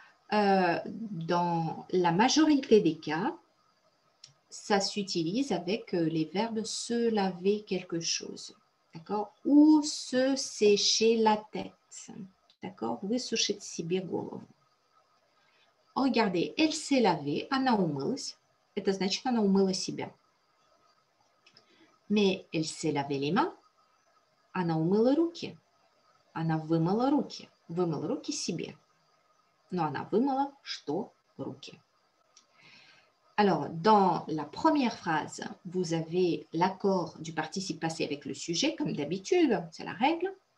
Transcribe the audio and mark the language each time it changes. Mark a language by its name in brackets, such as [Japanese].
[French] Dans la majorité des cas, ça s'utilise avec les verbes « se laver quelque chose », d'accord ? Ou « se sécher la tête », d'accord ? [Russian] Вы сушите себе голову. [French] Regardez, « elle s'est lavée », [Russian] « она умылась », это значит « она умыла себя ». [French] Mais « elle s'est lavée les mains », [Russian] « она умыла руки », « она вымыла руки », « вымыла руки себе ». Но она вымыла что руки. [French] Alors, dans la première phrase, vous avez l'accord du participe passé avec le sujet, comme d'habitude, c'est la règle.